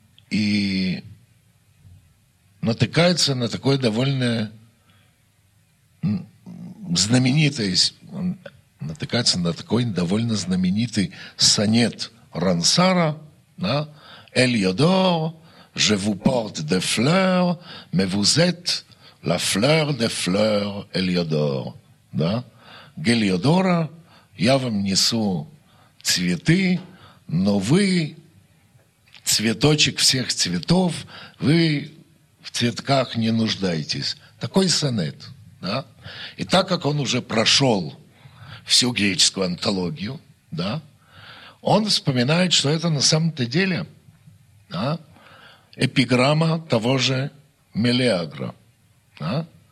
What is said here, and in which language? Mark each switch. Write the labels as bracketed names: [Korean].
[Russian] И натыкается на такое довольно знаменитое, натыкается на такой довольно знаменитый сонет Рансара. Да? [French] «Эль Йодор, je vous porte des fleurs, mais vous êtes la fleur des fleurs, Эль Йодор». [Russian] Да? «Гель Йодора, я вам несу цветы, но вы цветочек всех цветов, вы в цветках не нуждаетесь». Такой сонет. Да? И так как он уже прошел всю греческую антологию, да, он вспоминает, что это на самом-то деле, да, эпиграмма того же Мелиагра. Да?